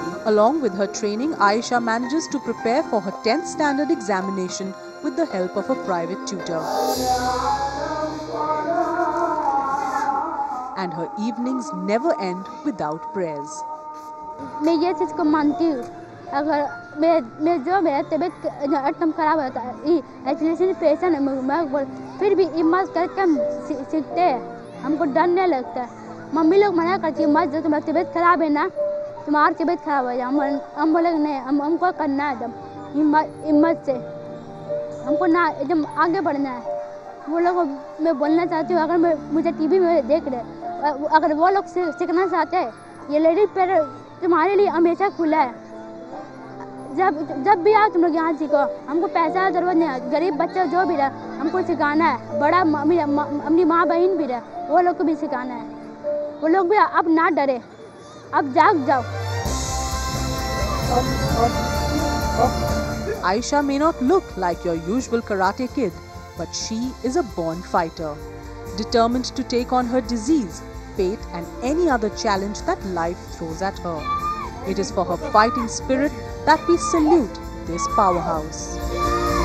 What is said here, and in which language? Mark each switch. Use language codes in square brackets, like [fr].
[en] Along with her training, Aisha manages to prepare for her 10th standard examination with the help of a private tutor. And her evenings never end without prayers. [hi] मैं ये चीज को मानती हूँ। अगर मैं जो मेरा तबीयत एकदम खराब हो जाता है, एक्सीलेशन पेशन है, मैं फिर भी हिम्मत करके हम सीखते हैं, हमको डर नहीं लगता। मम्मी लोग मना करती है, मत जो तुम्हारी तबीयत खराब है ना, तुम्हारी तबीयत खराब हो जाए, हम बोलेंगे नहीं, हमको करना है एकदम हिम्मत से, हमको ना एकदम आगे बढ़ना है। वो लोग मैं बोलना चाहती हूँ, अगर मैं मुझे टीवी में देख रहे, अगर वो लोग सीखना चाहते हैं, ये लेडी पैर तुम्हारे लिए हमेशा खुला है, जब भी आओ तुम लोग यहाँ सीखो, हमको पैसा जरूरत नहीं है, गरीब बच्चा जो भी रहे हमको सिखाना है, बड़ा अपनी माँ बहन भी रहे वो लोग को भी सिखाना है, वो लोग भी अब ना डरे, अब जाग जाओ। [en] Aisha may not look like your usual karate kid, but she is a born fighter, determined to take on her disease fate and any other challenge that life throws at her. It is for her fighting spirit that we salute this powerhouse.